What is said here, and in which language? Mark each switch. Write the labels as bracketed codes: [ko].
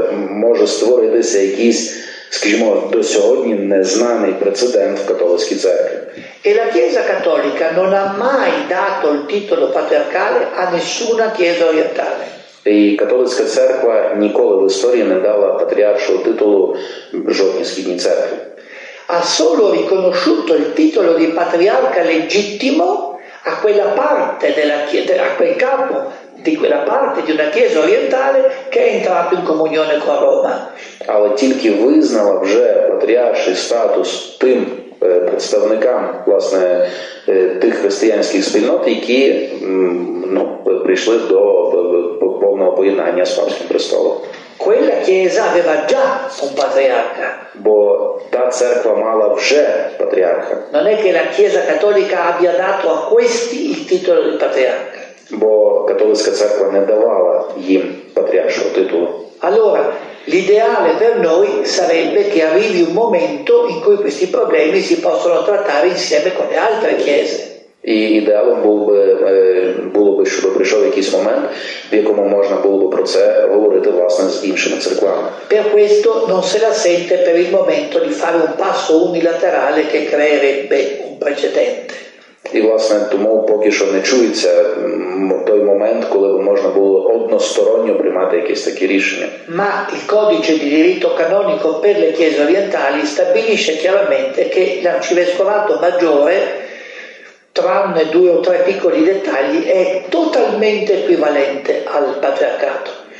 [uk] Може створитися якийсь, скажімо, до сьогодні незнаний прецедент в католицькій церкві. [it] E la Chiesa cattolica non ha mai dato il titolo patriarcale a nessuna chiesa orientale. [uk] І католицька церква ніколи в історії не дала патріаршого титулу жодній східній церкві. [it] Ha solo riconosciuto il titolo di patriarca legittimo a quella parte della chiesa, a quel capo di quella parte di una chiesa orientale che è entrato in comunione con Roma. [uk] Але тільки визнала вже патріарший статус тим представникам власне тих християнських спільнот, які прийшли до повного поєднання з папським престолом. [it] Quella chiesa aveva già un patriarca. [uk] Бо та церква мала вже патріарха. [it] Non è che la Chiesa cattolica abbia dato a questi il titolo di patriarca. [uk] Бо католицька церква не давала їм патріаршого титулу. [it] Allora, l'ideale per noi sarebbe che arrivi un momento in cui questi problemi si possono trattare insieme con le altre chiese. [uk] І ідеалом було би, щоб прийшов якийсь момент, в якому можна було б про це говорити власне з іншими церквами. [it] Per questo non se la sente per il momento di fare un passo unilaterale che creerebbe un precedente. [uk] І власне тому поки що не чується той момент, коли б можна було односторонньо приймати якесь таке рішення. [it] Ma il codice di diritto canonico per le chiese orientali stabilisce chiaramente che l'arcivescovato maggiore, tranne due o tre piccoli dettagli, è totalmente equivalente al patriarcato.